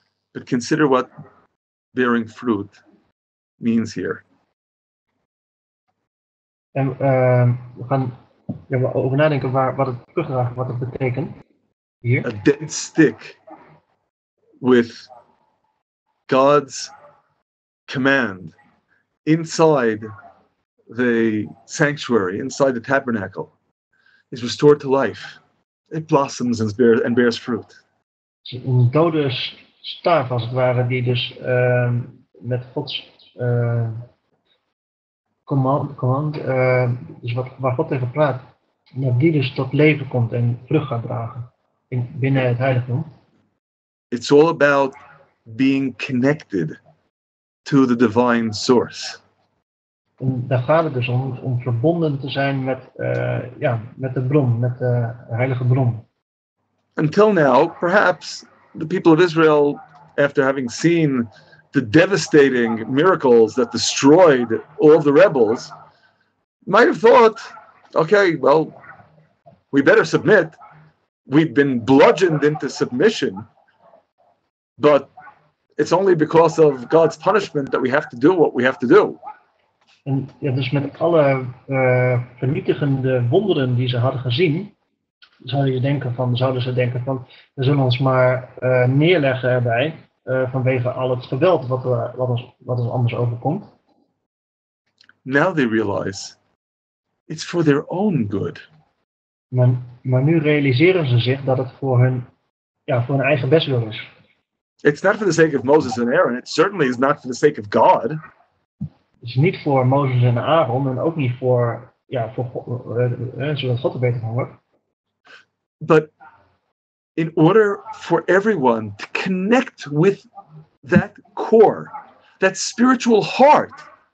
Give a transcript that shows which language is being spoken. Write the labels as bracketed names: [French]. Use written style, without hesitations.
[English] But consider what bearing fruit means here. [Dutch] En we gaan over nadenken wat het teruggedragen, wat het betekent. Hier. [English] A dead stick with God's command inside the sanctuary, inside the tabernacle, is restored to life. It blossoms and bears fruit. [Dutch] Een dode staaf, als het ware, die dus met Gods command, dus waar God tegen praat, dat die dus tot leven komt en vrucht gaat dragen binnen het heiligdom. [English] It's all about being connected to the divine source. [Dutch] En daar gaat het dus om verbonden te zijn met de bron, met de heilige bron. [English] Until now, perhaps the people of Israel, after having seen the devastating miracles that destroyed all the rebels, might have thought, okay, well, we better submit. We've been bludgeoned into submission But it's only because of God's punishment that we have to do what we have to do. [Dutch] En ja, dus met alle vernietigende wonderen die ze hadden gezien, zouden ze denken van, we zullen ons maar neerleggen erbij vanwege al het geweld wat ons anders overkomt. [English] Now they realize it's for their own good. [Dutch] Maar nu realiseren ze zich dat het voor hun eigen bestwil is. [English] It's not for the sake of Moses and Aaron. It certainly is not for the sake of God. [Dutch] Het is niet voor Mozes en Aaron en ook niet voor God, zodat God er beter van wordt. [English] But in order for everyone to connect with that core, that spiritual heart.